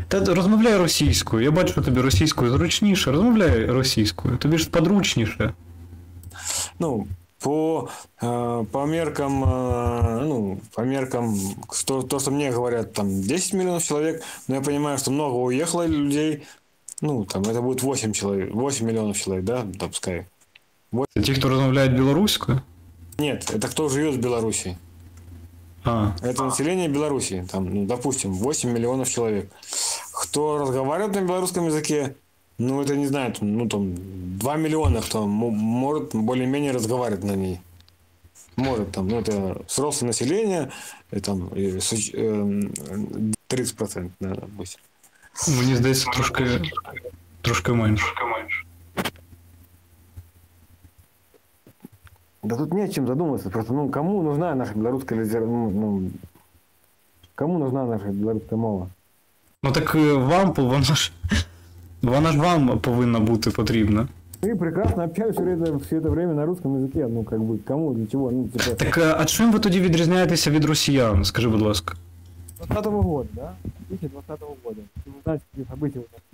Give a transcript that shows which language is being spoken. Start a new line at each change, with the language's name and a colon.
Ukrainian: Ты розмовляй російською. Я бачу, тобі російською зручніше. Розмовляй російською. Тобі ж подручніше.
Russian: Ну, по меркам, ну, по меркам, то, что мне говорят, там, 10 миллионов человек, но я понимаю, что много уехало людей, ну, там, это будет 8 человек, 8 миллионов человек, да, допускай. Это те, кто разговаривает белорусскую? Нет, это кто живет в Беларуси. А. Это население Беларуси, там, ну, допустим, 8 миллионов человек. Кто разговаривает на белорусском языке? Ну, это не знаю, ну, там, 2 миллиона, кто может более-менее разговаривать на ней. Может, там, ну, это взрослое население, и там, 30%, наверное, будет. Мне кажется, трошки, трошки меньше. Да тут не о чем задуматься, просто, ну, кому нужна наша белорусская литература, ну, кому нужна наша белорусская мова? Ну, так вам, по-моему, наш...
Ukrainian: Вона ж вам повинна бути потрібна. Ти прекрасно общаєшся
Russian: все це время на русском языке. Ну, как бы, кому, для чего? Ну, типа...
Ukrainian: Так, а чим ви тоді відрізняєтеся від росіян, скажи, будь ласка?
Russian: 20-го года, да? 2020-го года.
Ukrainian: Ти не знаєш, які события у нас в